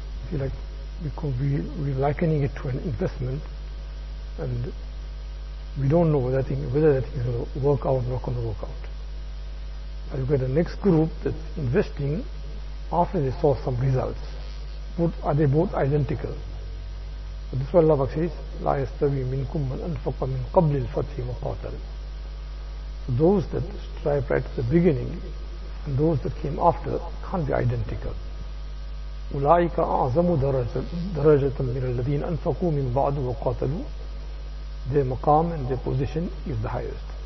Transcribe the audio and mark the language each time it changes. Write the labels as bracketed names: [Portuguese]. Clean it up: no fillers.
[English] See, like, because we're likening it to an investment, and we don't know whether that thing is going to work out or not going to work out. But you've got the next group that's investing after they saw some results. Are they both identical? So this is what Allah says, [Arabic] لَا يَسْتَوِي مِنْكُمْ مَنْ أَنْفَقَ مِنْ قَبْلِ الْفَتْحِ وَقَاتَلِ. [English] So those that strive right at the beginning and those that came after can't be identical. [Arabic] أُولَٰئِكَ أَعْزَمُ دَرَجَةً مِنَ الَّذِينَ أَنْفَقُوا مِنْ بَعْدُ وَقَاتَلُوا. [English] Their maqam and their position is the highest.